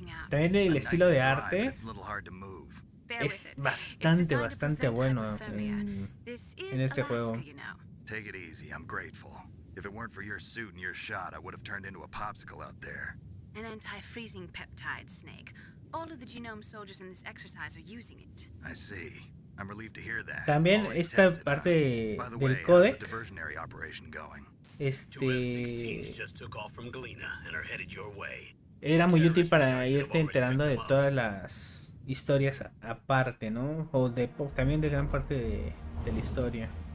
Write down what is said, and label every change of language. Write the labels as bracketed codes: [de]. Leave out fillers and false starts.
[es] También el estilo de arte es bastante, bastante bueno en este juego. [en] Take it easy, I'm grateful. If it weren't for your suit and your shot, I would have turned into a popsicle out there. An anti-freezing peptide snake. All of the genome soldiers in this exercise are using it. I see. I'm relieved to hear that. [es] También esta parte del codec. [en] The diversionary operation going. Just took off from Galena and are headed your way. [es] Era muy útil para irte enterando de todas las historias aparte, ¿no? O de también de gran parte de la historia.